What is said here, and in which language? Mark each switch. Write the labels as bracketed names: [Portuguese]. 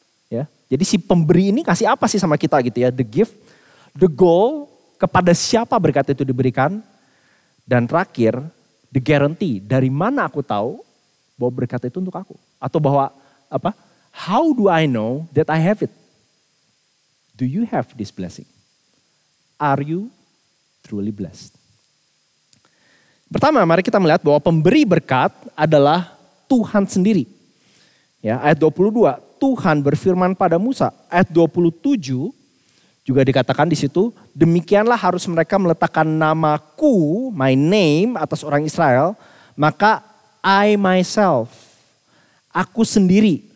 [Indonesian] Ya, jadi si pemberi ini kasih apa sih sama kita gitu ya? [English] The gift, the goal, [Indonesian] kepada siapa berkat itu diberikan? Dan terakhir, [English] the guarantee, [Indonesian] dari mana aku tahu bahwa berkat itu untuk aku? Atau bahwa apa? [English] How do I know that I have it? Do you have this blessing? Are you truly blessed? [Indonesian] Pertama, mari kita melihat bahwa pemberi berkat adalah Tuhan sendiri. Ya, ayat 22, Tuhan berfirman pada Musa. Ayat 27 juga dikatakan di situ, demikianlah harus mereka meletakkan namaku, [English] my name, [Indonesian] atas orang Israel, maka [English] I myself, [Indonesian] aku sendiri.